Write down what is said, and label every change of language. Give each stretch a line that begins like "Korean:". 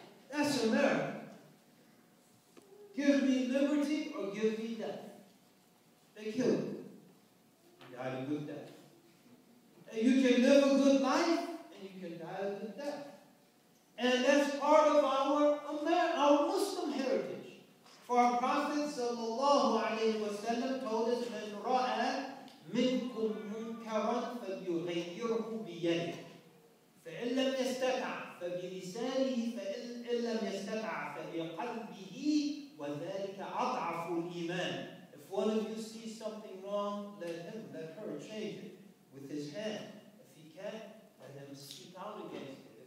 English: That's America. Give me liberty or give me death. They killed him. He died a good death. And you can live a good life, and you can die a good death. And that's part of our Muslim heritage. For our Prophet sallallahu alayhi wa sallam told us,
Arabic: من رأى منكم منكرا فليغيره بيده فإن لم يستطع فبلسانه فإن لم يستطع فبقلبه وذلك أضعف الإيمان.
English: If one of you sees something wrong, let her change it with his hand. If he can't, let him speak out against it.